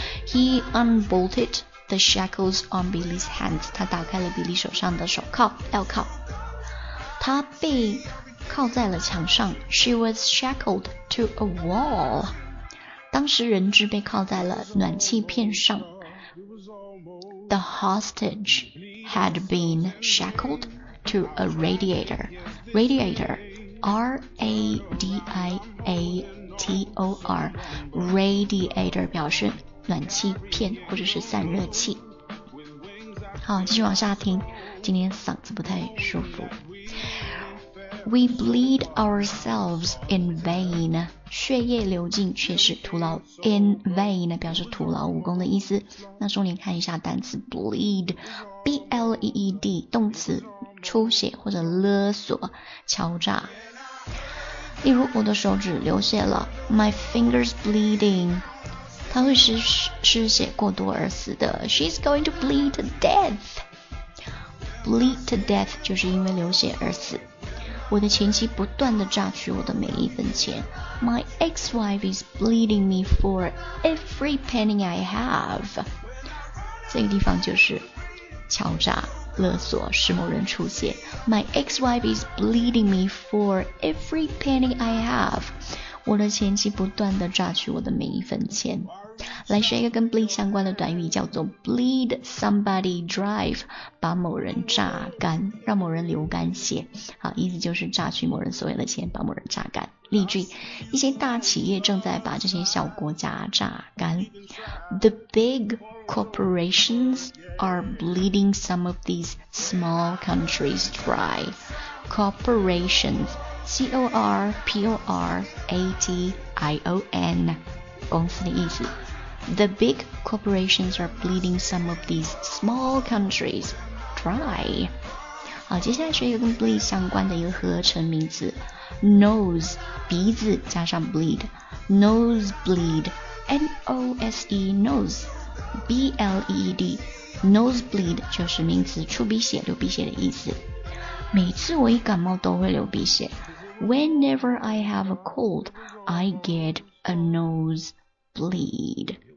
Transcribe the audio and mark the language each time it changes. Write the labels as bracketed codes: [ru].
[en] He unbolted the shackles on Billy's hands. [zh] 他打开了 Billy 手上的手铐、镣铐。他被铐在了墙上。 [en] She was shackled to a wall. [zh] 当时人质被铐在了暖气片上。 [en] The hostage had been shackled to a radiator. Radiator. [zh] R-A-D-I-A-T-O-R Radiator 表示暖气片或者是散热器。好，继续往下听，今天嗓子不太舒服。 [en] We bleed ourselves in vain， [zh] 血液流尽却是徒劳。 In vain 表示徒劳无功的意思。那重点看一下单词 bleed，B-L-E-E-D， 动词，出血或者勒索、敲诈。例如，我的手指流血了 ， [en] My fingers bleeding。 [zh] 他会失血过多而死的 [en] ，She's going to bleed to death。 [zh] Bleed to death 就是因为流血而死。我的前妻不断地榨取我的每一分钱 [en] ，My ex-wife is bleeding me for every penny I have。 [zh] 这个地方就是敲诈、勒索，使某人出血。 [en] My ex-wife is bleeding me for every penny I have。 [zh] 我的前妻不断地榨取我的每一分钱。来学一个跟 bleed 相关的短语，叫做 [en] bleed somebody dry， [zh] 把某人榨干，让某人流干血。好，意思就是榨取某人所有的钱，把某人榨干。例句：一些大企业正在把这些小国家榨干。 [en] The big corporations are bleeding some of these small countries dry. [zh] Corporations, C-O-R-P-O-R-A-T-I-O-N， 公司的意思。 [en] The big corporations are bleeding some of these small countries dry. [zh] 好，接下来学一个跟 bleed 相关的一个合成名词 ，nose 鼻子加上 bleed， nosebleed， N O S E nose， B L E E D， nosebleed 就是名词，出鼻血、流鼻血的意思。每次我一感冒都会流鼻血。 [en] Whenever I have a cold, I get a nosebleed.